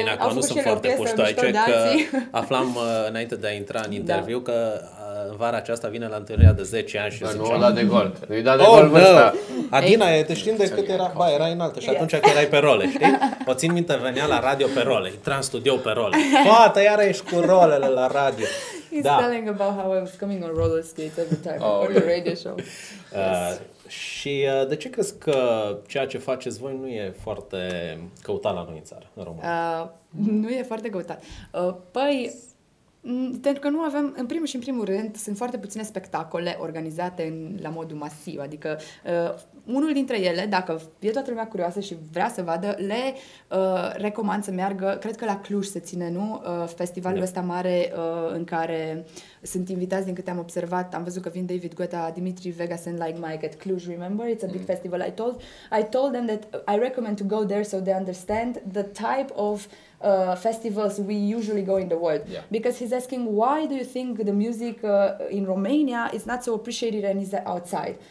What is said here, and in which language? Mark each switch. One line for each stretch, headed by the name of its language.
Romanian: Bine, acum nu sunt foarte puștoaice, că aflam înainte de a intra în interviu că vara aceasta vine la întâlnirea de 10 ani și nu o dat de gol. Nu-i dat de gol ăsta. Adina, te știm de cât era, ba, era înaltă și atunci că erai pe role, știi? O țin minte, venea la radio pe role, intra în studio pe role. Poate, iară ești cu rolele la radio.
English: He's telling about how I was coming on roller skates every time for the radio show.
Romanian: Și de ce crezi că ceea ce faceți voi nu e foarte căutat la noi în țară, în România? Nu e foarte căutat. Păi, pentru că nu avem, în primul și în primul rând, sunt foarte puține spectacole organizate la modul masiv. Adică unul dintre ele, dacă e toată lumea curioasă și vrea să vadă, le recomand să meargă, cred că la Cluj se ține, nu? Festivalul ăsta mare în care sunt invitați, din câte am observat, am văzut că vin David Guetta, Dimitri Vegas and Like Mike
English: at Cluj, remember? It's a big festival. I told them that I recommend to go there so they understand the type of festivals we usually go in the world. Yeah. Because he's asking, why do you think the music in Romania is not so appreciated and is outside?